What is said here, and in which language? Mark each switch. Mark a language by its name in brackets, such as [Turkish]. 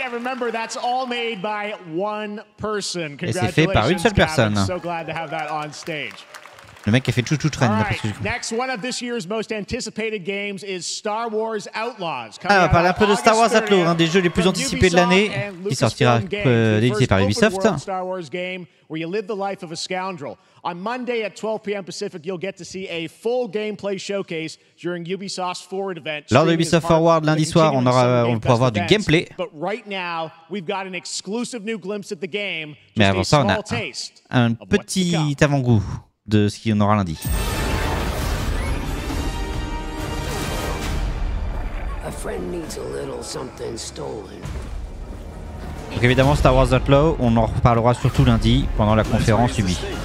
[English] And remember, that's all made by one person. [French] Et c'est fait par une seule personne. [English] So glad to have that on stage. [French] Le mec qui a fait Choo Choo Train. [English] All right. Next one of this year's most anticipated games is Star Wars Outlaws. [French] Ah, on va parler un peu de Star Wars Outlaws, un des jeux les plus anticipés de l'année, qui sortira édité par Ubisoft. [English] Star Wars game where you live the life of a scoundrel. On Monday at 12 p.m. Pacific, you'll get to see a full gameplay showcase during Ubisoft's Forward event. [French] Lors de Ubisoft Forward lundi soir, on pourra voir du gameplay. [English] But right now, we've got an exclusive new glimpse at the game. [French] Mais avant ça, on a un petit avant-goût de ce qu'il y en aura lundi. [English] A friend needs a little something stolen. [French] Donc évidemment, Star Wars Outlaw, on en reparlera surtout lundi pendant la conférence UBI.